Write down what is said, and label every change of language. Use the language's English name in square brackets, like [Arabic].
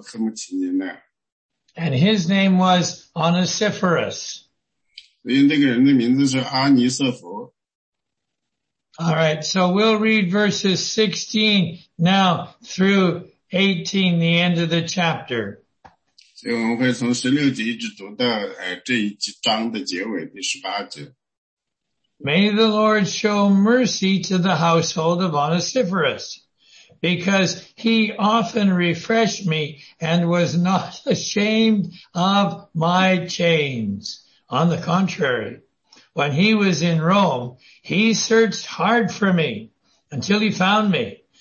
[Chinese] 然后呢，使徒保罗给那个提摩太举了另一个例子，这一家人呢，他们不像腓基路和何慕提尼那样。 [English] And his name was Onesiphorus. [Chinese] 所以那个人的名字是阿尼瑟弗。 [English] All right, so we'll read verses 16 now through 18, the end of the chapter. [Chinese] 所以我们会从16节一直读到这一章的结尾第18节。 [English] May the Lord show mercy to the household of Onesiphorus, because he often refreshed me and was not ashamed of my chains. On the contrary, when he was in Rome, he searched hard for me until he found me.